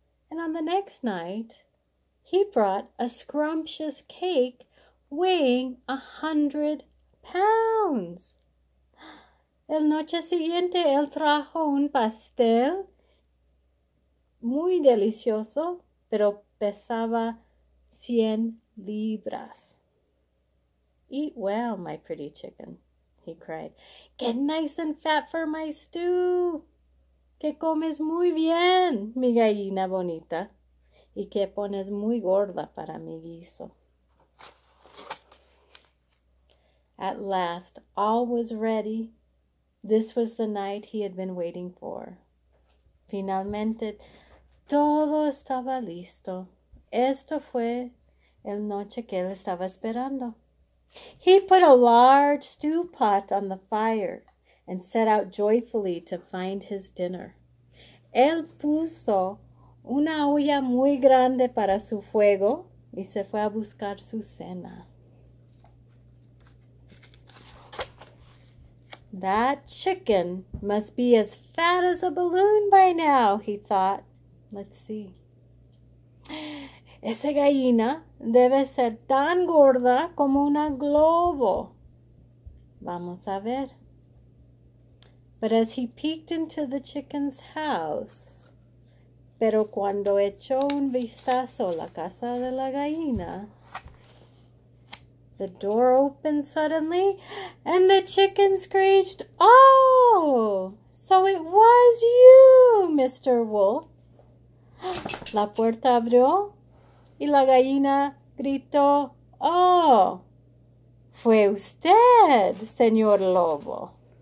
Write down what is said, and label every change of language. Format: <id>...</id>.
<en>And on the next night, he brought a scrumptious cake weighing 100 pounds.</en> <es>El noche siguiente, él trajo un pastel muy delicioso, pero pesaba 100 libras.</es> <en>Eat well, my pretty chicken, he cried. Get nice and fat for my stew.</en> <es>Que comes muy bien, mi gallina bonita. Y que pones muy gorda para mi guiso.</es> <en>At last, all was ready. This was the night he had been waiting for.</en> <es>Finalmente, todo estaba listo. Esto fue el noche que él estaba esperando.</es> <en>He put a large stew pot on the fire and set out joyfully to find his dinner.</en> <es>Él puso una olla muy grande para su fuego y se fue a buscar su cena.</es> <en>That chicken must be as fat as a balloon by now, he thought. Let's see.</en> <es>Esa gallina debe ser tan gorda como una globo. Vamos a ver.</es> <en>But as he peeked into the chicken's house,</en> <es>pero cuando echó un vistazo a la casa de la gallina,</es> <en>the door opened suddenly and the chicken screeched, "Oh, so it was you, Mr. Wolf."</en> <es>La puerta abrió y la gallina gritó, "Oh, fue usted, señor Lobo."</es>